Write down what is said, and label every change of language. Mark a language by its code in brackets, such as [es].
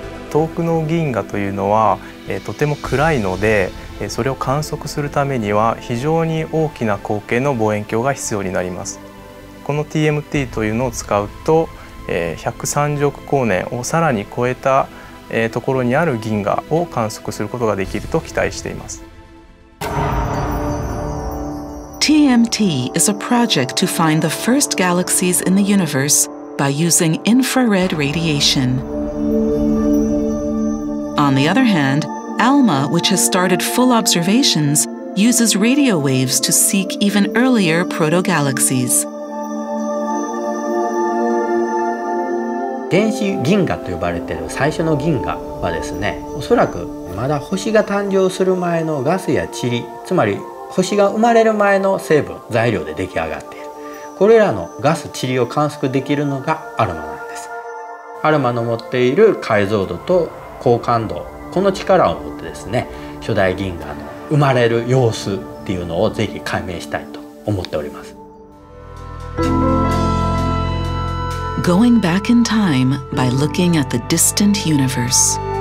[ja] 遠くの銀河というのは、とても暗いので、それを観測するためには非常に大きな口径の望遠鏡が必要になります。この TMT というのを使うと、130億光年をさらに超えた、ところにある銀河を観測することができると期待しています。 [en] TMT is a project to find the first galaxies in the universe by using infrared radiation. On the other hand, ALMA, which has started full observations, uses radio waves to seek even earlier proto-galaxies. [ja] 原始銀河と呼ばれている最初の銀河はですね、おそらくまだ星が誕生する前のガスや塵、つまり星が生まれる前の成分、材料で出来上がっている。これらのガス、塵を観測できるのがアルマなんです。アルマの持っている解像度と高感度、この力を持ってですね、初代銀河の生まれる様子っていうのをぜひ解明したいと思っております。 [en] Going back in time by looking at the distant universe.